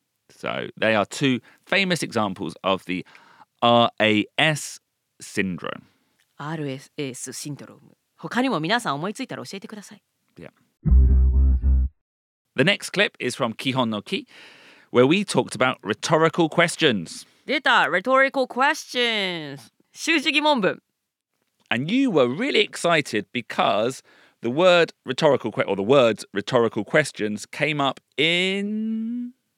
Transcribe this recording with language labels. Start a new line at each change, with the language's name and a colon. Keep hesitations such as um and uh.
English: So they are two famous examples of the RAS syndrome. RAS syndrome.
Japanese: 他にも皆さん思いついたら教えてください。
English: Yeah. The next clip is from Kihon no Ki, where we talked about rhetorical questions. 出た Rhetorical questions! 習字疑問文 And you were really excited because the word rhetorical or the words rhetorical questions came up in